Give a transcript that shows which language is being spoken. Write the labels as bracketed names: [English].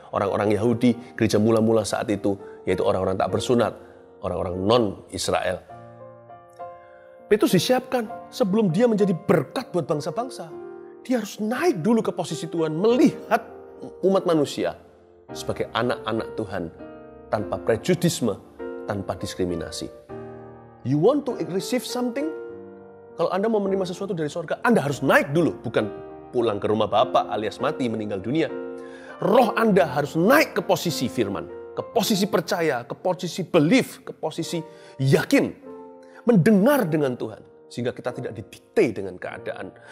[Indonesian] Orang-orang Yahudi, gereja mula-mula saat itu, yaitu orang-orang tak bersunat, orang-orang non-Israel. Petrus disiapkan sebelum dia menjadi berkat buat bangsa-bangsa. Dia harus naik dulu ke posisi Tuhan, melihat umat manusia sebagai anak-anak Tuhan, tanpa prejudisme, tanpa diskriminasi. [English] You want to receive something? [Indonesian] Kalau Anda mau menerima sesuatu dari sorga, Anda harus naik dulu. Bukan pulang ke rumah Bapa alias mati, meninggal dunia. Roh Anda harus naik ke posisi firman. Ke posisi percaya, ke posisi belief, ke posisi yakin. Mendengar dengan Tuhan. Sehingga kita tidak didikte dengan keadaan.